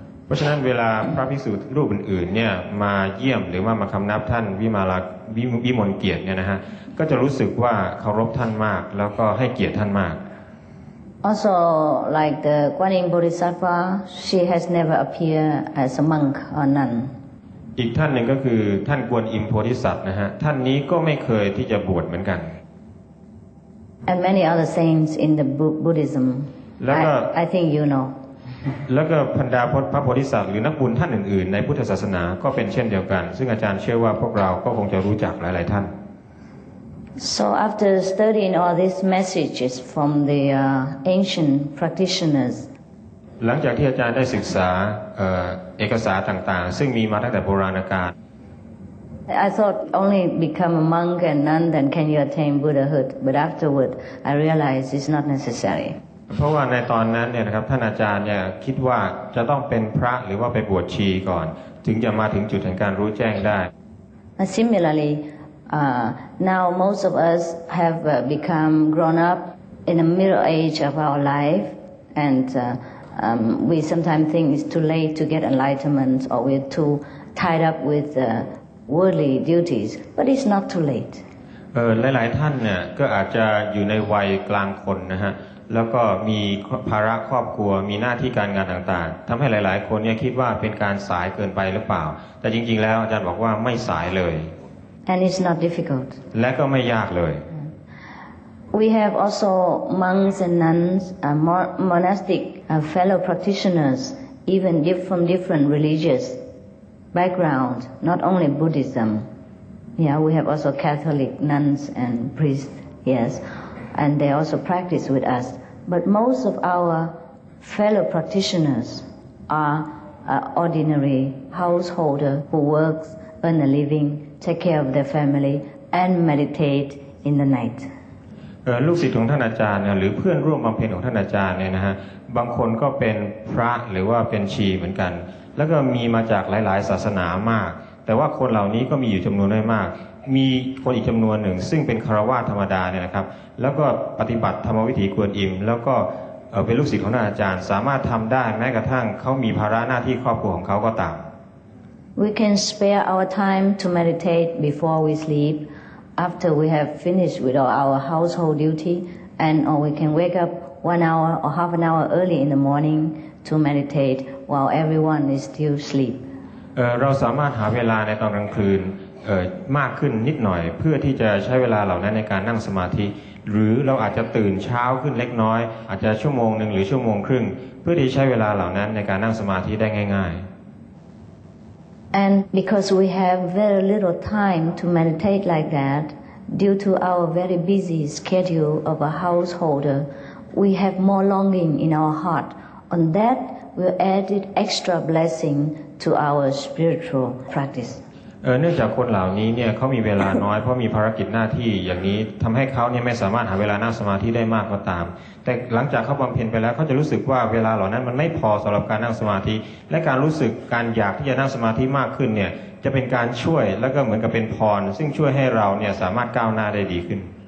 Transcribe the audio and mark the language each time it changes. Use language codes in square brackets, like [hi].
[th] พราะฉะนั้นเวลาพระภิกษุรูปอื่นๆเนี่ยมาเยี่ยมหรือว่ามาคำนับท่านวิมาลวิมลเกียรติเนี่ยนะฮะก็จะรู้สึกว่าเคารพท่านมากแล้วก็ให้เกียรติท่านมาก [en] Also like the Guan Yin Bodhisattva she has never appeared as a monk or nun [th] อีกท่านหนึ่งก็คือท่านกวนอิมโพธิสัตว์นะฮะท่านนี้ก็ไม่เคยที่จะบวชเหมือนกัน [en] And many other saints in the Buddhism I think you know [th] แล้วก็พันดาพระโพธิสัตว์หรือนักบุญท่านอื่นๆในพุทธศาสนาก็เป็นเช่นเดียวกันซึ่งอาจารย์เชื่อว่าพวกเราก็คงจะรู้จักหลายๆท่าน [en] So after studying all these messages from the ancient practitioners [th] หลังจากที่อาจารย์ได้ศึกษาเอกสารต่างๆซึ่งมีมาตั้งแต่โบราณกาล [en] I thought only become a monk and nun then can you attain Buddhahood but afterward I realized it's not necessary [th] เพราะว่าในตอนนั้นเนี่ยนะครับท่านอาจารย์เนี่ยคิดว่าจะต้องเป็นพระหรือว่าไปบวชชีก่อนถึงจะมาถึงจุดแห่งการรู้แจ้งได้ [en] Similarly now most of us have become grown up in the middle age of our life and we sometimes think it's too late to get enlightenment or we're too tied up with worldly duties but it's not too late [th] หลายๆท่านเนี่ยก็อาจจะอยู่ในวัยกลางคนนะฮะแล้วก็มีภาระครอบครัวมีหน้าที่การงานต่างๆทำให้หลายๆคนเนี่ยคิดว่าเป็นการสายเกินไปหรือเปล่าแต่จริงๆแล้วอาจารย์บอกว่าไม่สายเลย [en] And it's not difficult [th] และก็ไม่ยากเลย [en] We have also monks and nuns monastic fellow practitioners even from different religious background not only Buddhism Yeah we have also Catholic nuns and priests yesAnd they also practice with us. But most of our fellow practitioners are ordinary householder who works, earn a living, take care of their family, and meditate in the night. [th] ลูกศิษย์ของท่านอาจารย์หรือเพื่อนร่วมบำเพ็ญของท่านอาจารย์เนี่ยนะฮะบางคนก็เป็นพระหรือว่าเป็นชีเหมือนกันแล้วก็มีมาจากหลายๆศาสนามากแต่ว่าคนเหล่านี้ก็มีอยู่จำนวนไม่มากมีคนอีกจำนวนหนึ่งซึ่งเป็นคารวาสธรรมดาเนี่ยนะครับแล้วก็ปฏิบัติธรรมวิถีกวนอิมแล้วก็เป็นลูกศิษย์ของท่านอาจารย์สามารถทำได้แม้กระทั่งเขามีภาระหน้าที่ครอบครัวของเขาก็ตาม [en] We can spare our time to meditate before we sleep after we have finished with all our household duty and or we can wake up 1 hour or 30 minutes early in the morning to meditate while everyone is still asleep [th] เราสามารถหาเวลาในตอนกลางคืนมากขึ้นนิดหน่อยเพื่อที่จะใช้เวลาเหล่านั้นในการนั่งสมาธิหรือเราอาจจะตื่นเช้าขึ้นเล็กน้อยอาจจะชั่วโมงหนึ่งหรือชั่วโมงครึ่งเพื่อที่ใช้เวลาเหล่านั้นในการนั่งสมาธิได้ง่าย [en] ๆ And because we have very little time to meditate like that due to our very busy schedule of a householder we have more longing in our heart on that we'll add extra blessing to our spiritual practice [th] เนื่องจากคนเหล่านี้เนี่ยเขามีเวลาน้อยเพราะมีภารกิจหน้าที่อย่างนี้ทำให้เขาเนี่ยไม่สามารถหาเวลานั่งสมาธิได้มากก็ตามแต่หลังจากเขาบำเพ็ญไปแล้วเขาจะรู้สึกว่าเวลาเหล่านั้นมันไม่พอสำหรับการนั่งสมาธิและการรู้สึกการอยากที่จะนั่งสมาธิมากขึ้นเนี่ยจะเป็นการช่วยแล้วก็เหมือนกับเป็นพรซึ่งช่วยให้เราเนี่ยสามารถก้าวหน้าได้ดีขึ้น